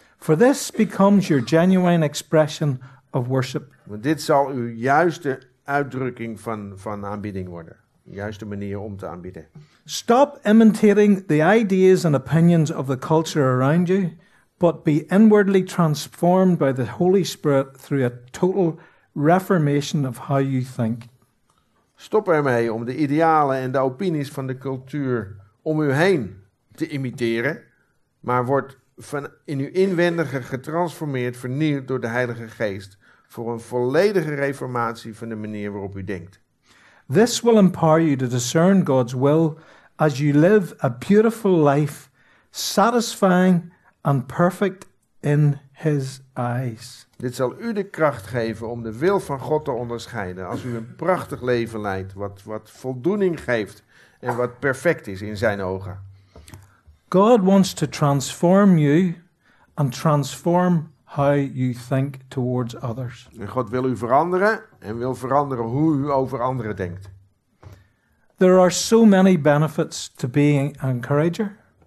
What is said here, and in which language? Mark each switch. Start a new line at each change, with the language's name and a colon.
English: For this becomes your genuine expression of worship.
Dutch: Want dit zal uw juiste uitdrukking van aanbidding worden. De juiste manier om te aanbidden.
English: Stop imitating the ideas and opinions of the culture around you, but be inwardly transformed by the Holy Spirit through a total reformation of how you think.
Dutch: Stop ermee om de idealen en de opinies van de cultuur om u heen te imiteren, maar word van in uw inwendige getransformeerd, vernieuwd door de Heilige Geest voor een volledige reformatie van de manier waarop u denkt.
English: This will empower you to discern God's will as you live a beautiful life, satisfying and perfect in his eyes.
Dutch: Dit zal u de kracht geven om de wil van God te onderscheiden als u een prachtig leven leidt wat voldoening geeft en wat perfect is in zijn ogen.
English: God wants to transform you and transform how you think towards others.
Dutch: En God wil u veranderen en wil veranderen hoe u over anderen denkt.
English: There are so many benefits to being an encourager.